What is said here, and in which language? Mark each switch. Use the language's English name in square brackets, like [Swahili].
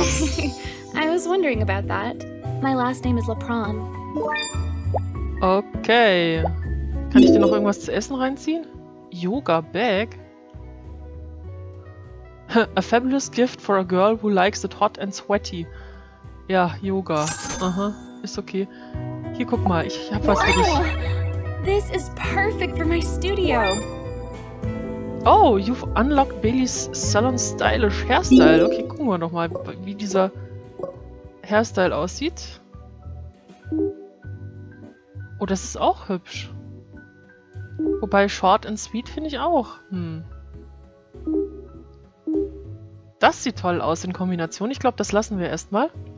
[English] I was wondering about that. My last name is Lepron. Okay. [German] Kann ich dir noch irgendwas zu essen reinziehen? [English] Yoga Bag? A fabulous gift for a girl who likes it hot and sweaty. [German] Ja, Yoga. Aha, ist okay. Hier, guck mal, ich hab was für dich. [English] This is perfect for my studio. Oh, you've unlocked Bailey's Salon Stylish Hairstyle. [German] Okay, gucken wir noch mal, wie dieser Hairstyle aussieht. Oh, das ist auch hübsch. Wobei, short and sweet finde ich auch. Das sieht toll aus in Kombination. Ich glaube, das lassen wir erstmal.